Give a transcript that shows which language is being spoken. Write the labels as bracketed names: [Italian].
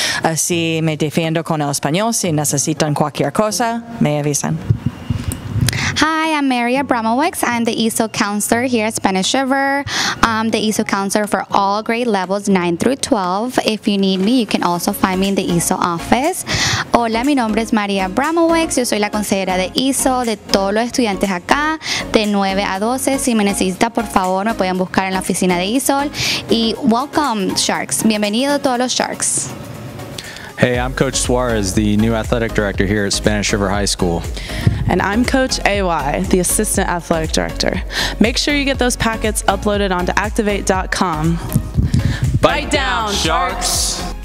[Spanish] Así me defiendo con el español. Si necesitan cualquier cosa, me avisan. [English] Hi, I'm Mary Abramowicz. I'm the ESOL counselor here at Spanish River. I'm the ESOL counselor for all grade levels 9 through 12. If you need me, you can also find me in the ESOL office. [Spanish] Hola, mi nombre es María Abramowicz. Yo soy la consejera de ESOL de todos los estudiantes acá, de 9 a 12. Si me necesita, por favor, me pueden buscar en la oficina de ESOL. Y welcome, Sharks. Bienvenido a todos los Sharks. [English] Hey, I'm Coach Suarez, the new athletic director here at Spanish River High School. And I'm Coach AY, the assistant athletic director. Make sure you get those packets uploaded onto activate.com. Bite down, Sharks!